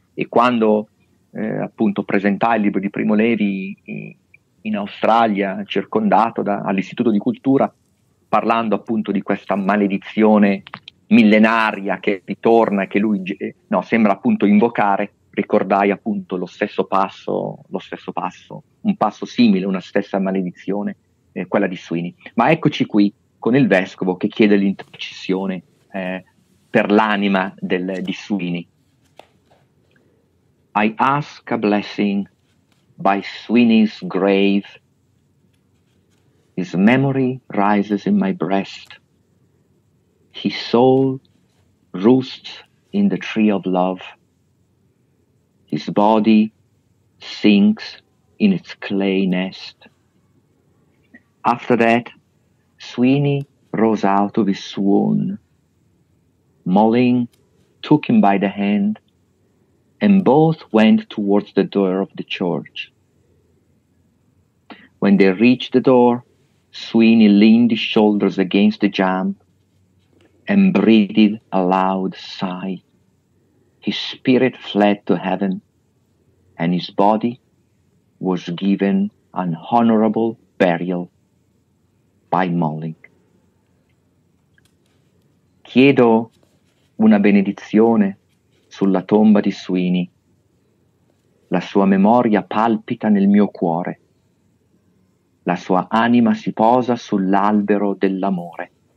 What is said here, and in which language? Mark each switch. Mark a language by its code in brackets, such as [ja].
[it] E quando appunto presentai il libro di Primo Levi in Australia, circondato all'Istituto di Cultura, parlando appunto di questa maledizione millenaria che ritorna e che lui sembra appunto invocare, ricordai appunto lo stesso passo, un passo simile, una stessa maledizione, quella di Sweeney. Ma eccoci qui con il vescovo che chiede l'intercessione per l'anima di Sweeney. [en] I ask a blessing by Sweeney's grave. His memory rises in my breast. His soul roosts in the tree of love. His body sinks in its clay nest. After that, Sweeney rose out of his swoon. Molling took him by the hand, and both went towards the door of the church. When they reached the door, Sweeney leaned his shoulders against the jamb and breathed a loud sigh. His spirit fled to heaven, and his body was given an honorable burial by Molling. [it] Chiedo una benedizione sulla tomba di Sweeney. La sua memoria palpita nel mio cuore. La sua anima si posa sull'albero dell'amore.